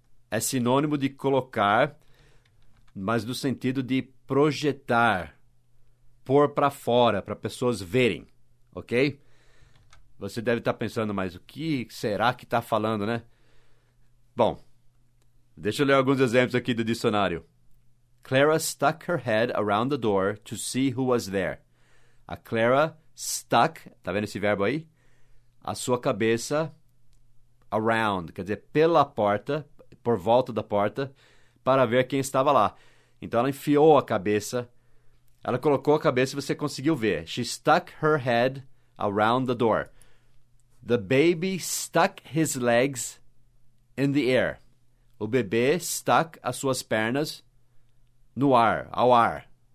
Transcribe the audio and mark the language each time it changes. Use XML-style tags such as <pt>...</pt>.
<pt>É sinônimo de colocar, mas no sentido de projetar, pôr para fora, para pessoas verem, ok? Você deve estar pensando, mas o que será que está falando, né? Bom, deixa eu ler alguns exemplos aqui do dicionário.</pt> <en>Clara stuck her head around the door to see who was there.</en> <pt>A Clara stuck, tá vendo esse verbo aí? A sua cabeça around, quer dizer, pela porta, por volta da porta, para ver quem estava lá. Então, ela enfiou a cabeça, ela colocou a cabeça e você conseguiu ver.</pt> <en>She stuck her head around the door. The baby stuck his legs in the air.</en> <pt>O bebê stuck as suas pernas no ar, ao ar.</pt>